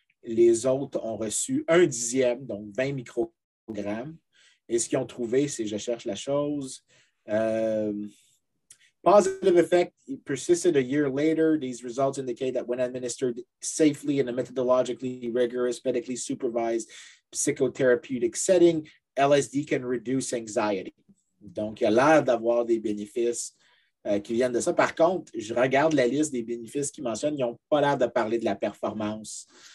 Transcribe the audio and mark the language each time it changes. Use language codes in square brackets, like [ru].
[fr] Les autres ont reçu un dixième, donc 20 microgrammes. Et ce qu'ils ont trouvé, c'est, je cherche la chose, [en] positive effect persisted a year later. These results indicate that when administered safely in a methodologically rigorous, medically supervised psychotherapeutic setting, LSD can reduce anxiety. [fr] Donc, il a l'air d'avoir des bénéfices qui viennent de ça. Par contre, je regarde la liste des bénéfices qu'ils mentionnent. Ils n'ont pas l'air de parler de la performance